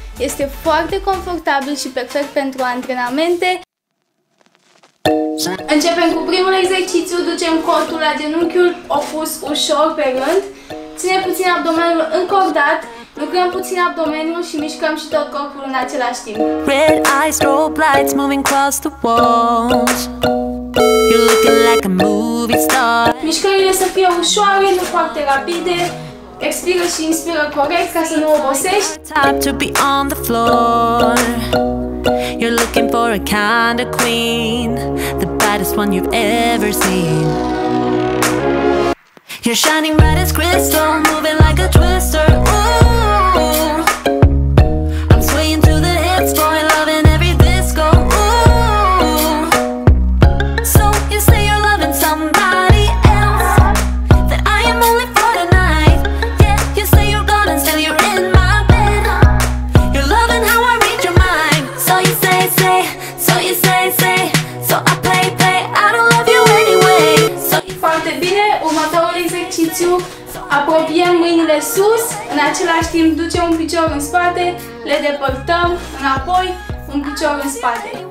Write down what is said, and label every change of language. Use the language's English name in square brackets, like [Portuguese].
[Romanian] Este foarte confortabil și perfect pentru antrenamente. Începem cu primul exercițiu. Ducem cotul la genunchiul opus ușor pe rând. Ținem puțin abdomenul încordat. Lucrăm puțin abdomenul și mișcăm și tot corpul în același timp. [English] Red eyes, strobe lights moving across the walls. You're looking like a movie star. [Romanian] Mișcările să fie ușoare, nu foarte rapide. Expiră și inspiră corect ca să nu obosești. [English] Top to be on the floor. You're looking for a kind of queen, the baddest one you've ever seen. You're shining bright as crystal, moving like a twister. Ooh. I'm swaying to the hips, boy, loving every disco. Ooh. So you say you're loving somebody else, that I am only for tonight. Yeah, you say you're gone and still you're in my bed. You're loving how I read your mind. So you say, say, so you say, say, so I play, play, I don't love you anyway. [Romanian] So foarte bine, următorul exercițiu. Apropiem mâinile sus, în același timp ducem un picior în spate, le depărtăm, înapoi, un picior în spate.